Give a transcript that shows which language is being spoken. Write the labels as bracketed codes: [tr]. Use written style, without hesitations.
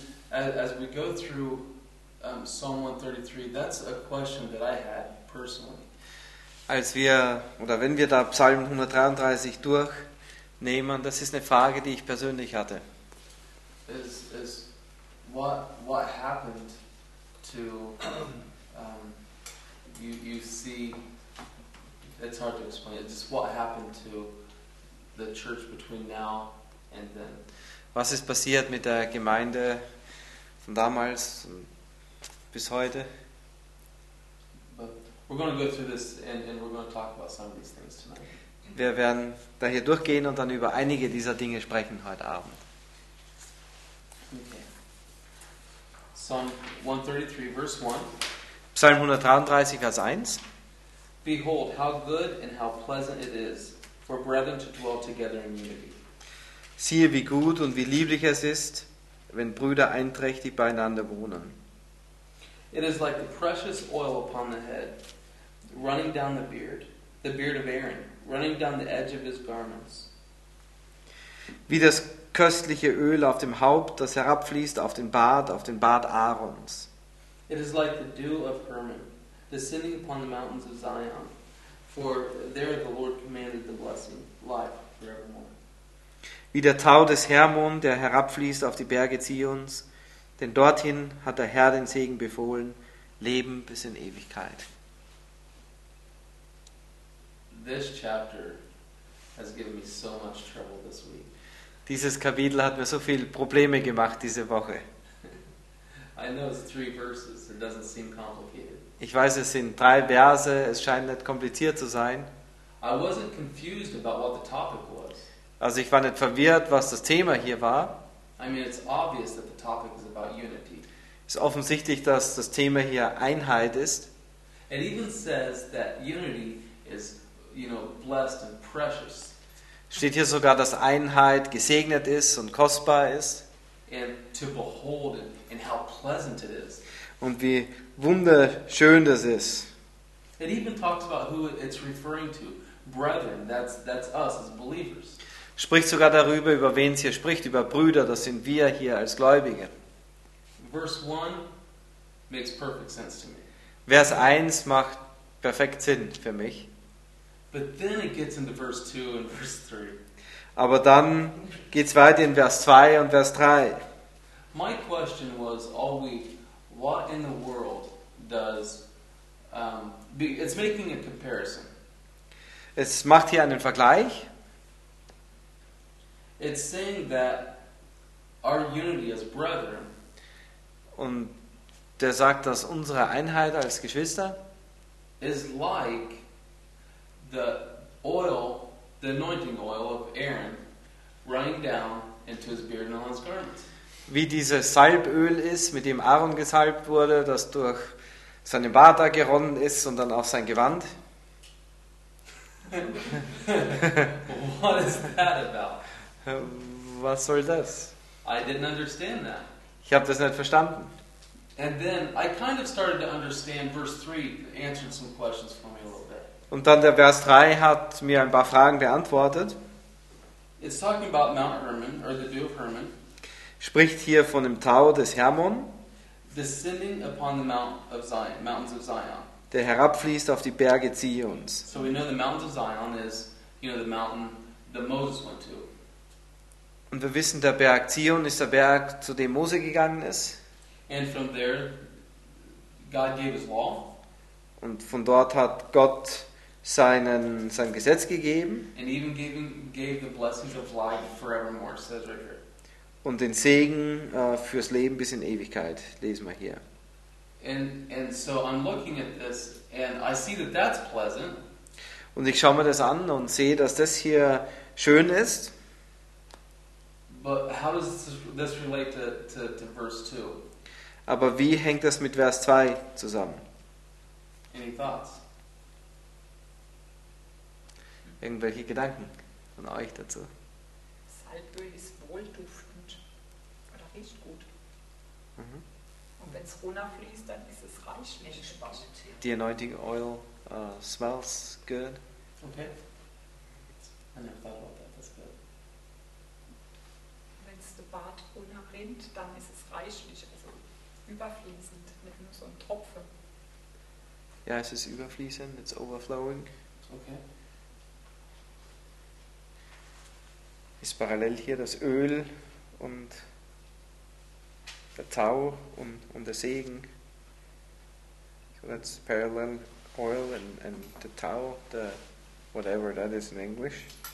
[en] As we go through Psalm 133, that's a question that I had personally. [de] Wenn wir da Psalm 133 durchnehmen, das ist eine Frage, die ich persönlich hatte. [en] What happened to you see, it's hard to explain, it's just what happened to the church between now and then. [de] Was ist passiert mit der Gemeinde von damals bis heute? [en] We're going to go through this and we're going to talk about some of these things tonight. [de] Wir werden da hier durchgehen und dann über einige dieser Dinge sprechen heute Abend. [en] Okay. Psalm 133, verse 1. [de] Psalm 133, Vers 1. [en] Behold, how good and how pleasant it is for brethren to dwell together in unity. [de] Siehe, wie gut und wie lieblich es ist, wenn Brüder einträchtig beieinander wohnen. [en] It is like the precious oil upon the head, running down the beard of Aaron, running down the edge of his garments. [de] Wie das köstliche Öl auf dem Haupt, das herabfließt auf den Bart Aarons. [en] It is like the dew of Hermon, descending upon the mountains of Zion, for there the Lord commanded the blessing, life forevermore. [de] Wie der Tau des Hermon, der herabfließt auf die Berge Zions, denn dorthin hat der Herr den Segen befohlen, Leben bis in Ewigkeit. [en] This chapter has given me so much trouble this week. [de] Dieses Kapitel hat mir so viele Probleme gemacht diese Woche. [en] I know it's three verses. It doesn't seem complicated. [de] Ich weiß, es sind drei Verse, es scheint nicht kompliziert zu sein. [en] I wasn't confused about what the topic was. [de] Also ich war nicht verwirrt, was das Thema hier war. [en] I mean, it's obvious that the topic is about unity. [de] Es ist offensichtlich, dass das Thema hier Einheit ist. [en] It even says that unity is, you know, blessed and precious. [de] Steht hier sogar, dass Einheit gesegnet ist und kostbar ist. [en] And to behold it and how pleasant it is. [de] Und wie wunderschön das ist. [en] It even talks about who it's referring to. Brethren, that's us as believers. [de] Spricht sogar darüber, über wen es hier spricht, über Brüder, das sind wir hier als Gläubige. [en] Verse 1 makes perfect sense to me. [de] Vers 1 macht perfekt Sinn für mich. [en] But then it gets into verse 2 and verse 3. [de] Aber dann geht's weiter in Vers 2 und Vers 3. [en] My question was all week, what in the world does... it's making a comparison. [de] Es macht hier einen Vergleich. [en] It's saying that our unity as brethren. [de] Und der sagt, dass unsere Einheit als Geschwister [en] is like the oil, the anointing oil of Aaron running down into his beard and on his garments. [de] Wie dieses Salböl ist, mit dem Aaron gesalbt wurde, das durch seinen Bart da geronnen ist und dann auch sein Gewand. [en] What is that about? [de] Was soll das? [en] I didn't understand that. [de] Ich habe das nicht verstanden. [en] And then I kind of started to understand verse 3 answered some questions for me a little bit. [de] Und dann der Vers 3 hat mir ein paar Fragen beantwortet. [en] It's talking about Mount Hermon or the Dew of Hermon. [de] Spricht hier von dem Tau des Hermon. [en] Descending upon the Mount of Zion, mountains of Zion. [de] Der herabfließt auf die Berge Zions. [en] So we know the mountains of Zion is, you know, the mountain that Moses went to. [de] Und wir wissen, der Berg Zion ist der Berg, zu dem Mose gegangen ist. [en] And from there, God gave his law. [de] Und von dort hat Gott sein Gesetz gegeben. [en] And even gave the blessings of life forevermore, says right here. [de] Und den Segen fürs Leben bis in Ewigkeit, lesen wir hier. [en] And so I'm looking at this and I see that that's pleasant. [de] Und ich schaue mir das an und sehe, dass das hier schön ist. [en] But how does this relate to verse 2? [de] Aber wie hängt das mit Vers 2 zusammen? [en] Any thoughts? [de] Irgendwelche Gedanken von euch dazu? Salböl ist wohlduftend. Oder riecht gut. Mhm. Und wenn es runterfließt, dann ist es reichlich. [en] The anointing oil smells good. Okay. I never thought about that. That's good. [de] Wenn es der Bart runterrinnt, dann ist es reichlich. Überfließend, mit nur so einem Tropfen. Ja, es ist überfließend, [en] it's overflowing. Okay. [de] Ist parallel hier das Öl und der Tau und der Segen. [en] So that's parallel oil and the Tau, the whatever that is in English.